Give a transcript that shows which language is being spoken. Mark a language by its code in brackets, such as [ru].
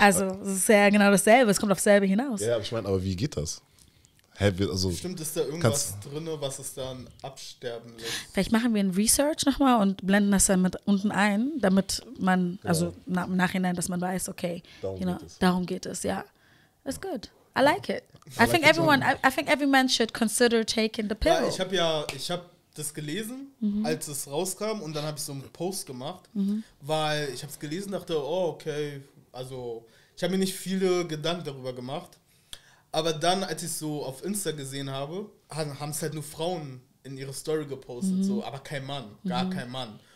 [de] Also es ist ja genau dasselbe, es kommt auf dasselbe hinaus. Ja, aber ich meine, aber wie geht das? Also, stimmt, ist da irgendwas drin, was es dann absterben lässt? Vielleicht machen wir ein Research nochmal und blenden das dann mit unten ein, damit man, also im Nachhinein, dass man weiß, okay, darum geht es, [en] ja. It's good. I like it. I think every man should consider taking the pill. [de] Ja, ich hab das gelesen, als es rauskam, und dann habe ich so einen Post gemacht, weil ich habe es gelesen, dachte, oh, okay, also ich habe mir nicht viele Gedanken darüber gemacht. Aber dann, als ich so auf Insta gesehen habe, haben es halt nur Frauen in ihre Story gepostet, so, aber kein Mann, gar kein Mann.